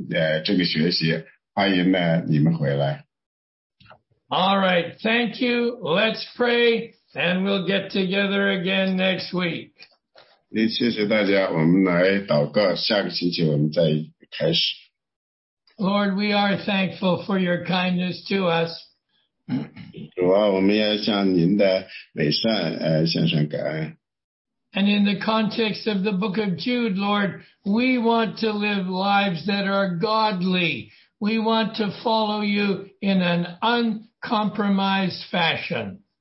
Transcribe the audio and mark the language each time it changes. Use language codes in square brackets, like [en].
[zh] 录的是一本很难的书，但是同样呢，是一本就是很令人兴奋，很让大家就觉得你想去读的那本书，所以呢，你就大家为我祷告。下个星期我们当读的这本书的时候呢，我们希望大家一起来读。现在呢，有些人呢，我有一段时间没看见参加我们这个学习，欢迎呢你们回来。 [en] All right, thank you. Let's pray, and we'll get together again next week. [zh] 谢谢大家，我们来祷告，下个星期我们再开始。 [en] Lord, we are thankful for your kindness to us. [zh] 主啊，我们要向您的美善，献上感恩。 [en] And in the context of the book of Jude, Lord, we want to live lives that are godly. We want to follow you in an uncompromised fashion.